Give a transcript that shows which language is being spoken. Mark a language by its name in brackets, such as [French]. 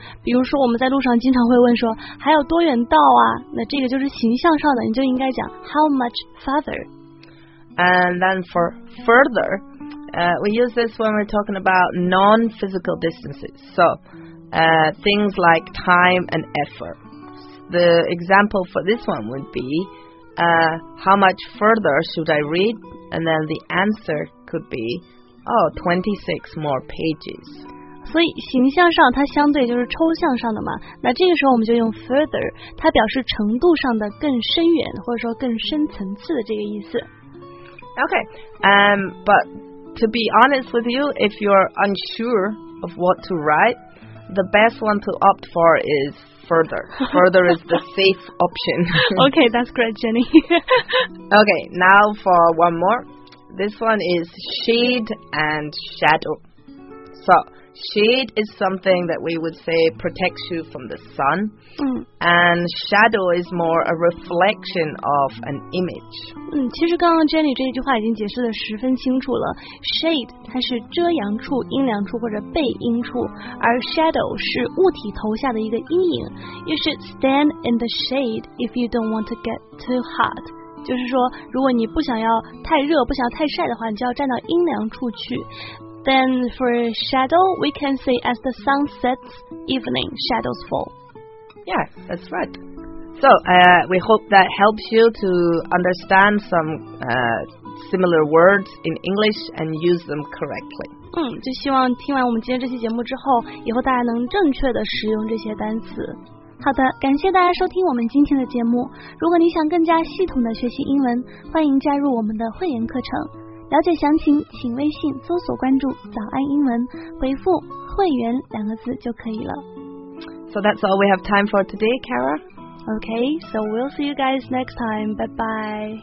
[Chinese] 比如说我们在路上经常会问说还有多远到啊？那这个就是形象上的，你就应该讲 [English] how much farther. And then for further, we use this when we're talking about non-physical distances. So, things like time and effort. The example for this one would be, how much further should I read? And then the answer could be, oh, 26 more pages. [Chinese] 所以形象上它相对就是抽象上的嘛，那这个时候我们就用 further， 它表示程度上的更深远或者说更深层次的这个意思。 [English] Okay, but to be honest with you, if you're unsure of what to write, the best one to opt for is further. Further is the safe option. Okay, that's great, Jenny. Okay, now for one more. This one is shade and shadow. So, shade is something that we would say protects you from the sun. And shadow is more a reflection of an image. [Chinese] 其实刚刚 Jenny 这句话已经解释得十分清楚了。Shade 它是遮阳处、阴凉处或者背阴处，而 shadow 是物体投下的一个阴影。 [English] You should stand in the shade if you don't want to get too hot. [Chinese] 就是说，如果你不想要太热，不想要太晒的话，你就要站到阴凉处去。 [English] Then for shadow, we can say as the sun sets, evening shadows fall. Yeah, that's right. So, we hope that helps you to understand some, similar words in English and use them correctly. [Chinese] 就希望听完我们今天这期节目之后，以后大家能正确的使用这些单词。好的，感谢大家收听我们今天的节目。如果你想更加系统的学习英文，欢迎加入我们的会员课程。了解详情，请微信搜索关注“早安英文”，回复“会员”两个字就可以了。 [English] So that's all we have time for today, Kara. Okay, so we'll see you guys next time. Bye bye.